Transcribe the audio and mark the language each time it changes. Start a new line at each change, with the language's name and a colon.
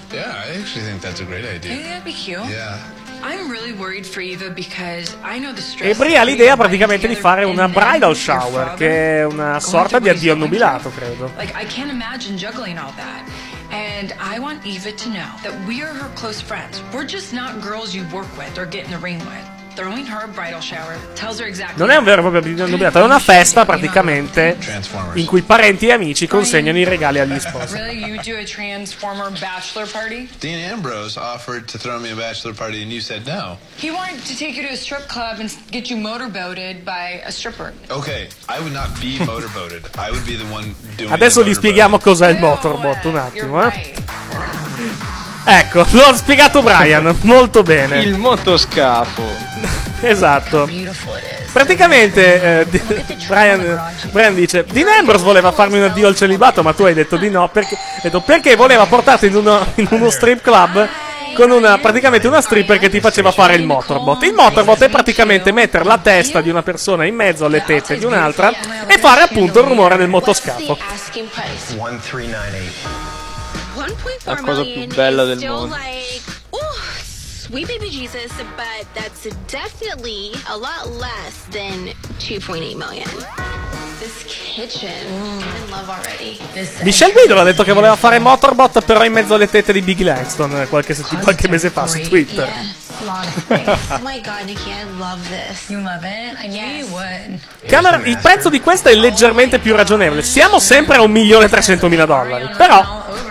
English: Yeah, I actually think that's a great idea. Maybe that'd be cute. Yeah. I'm really worried for Eva because I know the stress.
Italian: E Bri ha l'idea praticamente di fare una bridal shower, che è una sorta di addio annubilato, credo.
English: Like, I can't imagine juggling all that. And I want Eva to know that we are her close friends. We're just not girls you work with or get in the ring with. Throwing her a bridal shower tells her exactly.
Italian: Non è un vero e proprio addio annubilato, è una festa praticamente in cui parenti e amici consegnano i regali agli sposi.
English: Really, you do a transformer bachelor party? Dean Ambrose offered to throw me a bachelor party and you said no. He wanted to take you to a strip club and get you motorboated by a stripper. Okay, I would not be motorboated. I would be the one doing it.
Italian: Adesso vi spieghiamo cos'è il motorbot un attimo, eh. Ecco, l'ho spiegato Brian, molto bene. Il motoscafo. Esatto. Praticamente, Brian dice, Dean Ambrose voleva farmi un addio al celibato, ma tu hai detto di no, perché voleva portarti in uno strip club con una, praticamente una stripper che ti faceva fare il motorbot. Il motorbot è praticamente mettere la testa di una persona in mezzo alle tette di un'altra e fare appunto il rumore del motoscafo. 1.4 la cosa più bella del mondo.
English: Sweet baby Jesus, but that's definitely a lot less than 2.8 million. This kitchen, I'm in love already.
Italian: Michelle Guido ha detto che voleva fare motorbot, però in mezzo alle tette di Big Langston qualche mese fa su Twitter.
English: Oh my god, Nikki, I love this. You love it? Yes. You would.
Italian: Camera, il prezzo di questa è leggermente più ragionevole. Siamo sempre a $1.300.000, però.